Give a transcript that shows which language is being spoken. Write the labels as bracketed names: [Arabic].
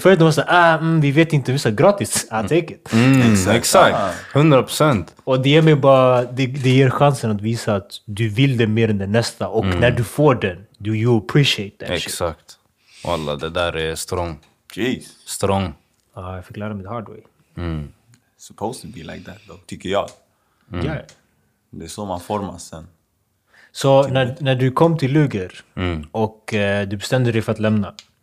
[Swedish] För de var så, vi vet inte, vi sa gratis, [English] I take it. [Swedish] Exakt. 100%. Och det ger mig bara, det ger chansen att visa att du vill det mer än det nästa. Och när du får den, [English] you appreciate that. [Swedish] Exakt. [English] Shit. [Swedish] Alla, det där är strong. [English] Jeez. Strong. [Swedish] Jag fick lära mig [English] the hard way. Supposed to be like that, though, [Swedish] tycker jag. [English] Yeah. [Swedish] Det är så man formas sen. Så när du kom till Luger och du bestämde dig för att lämna.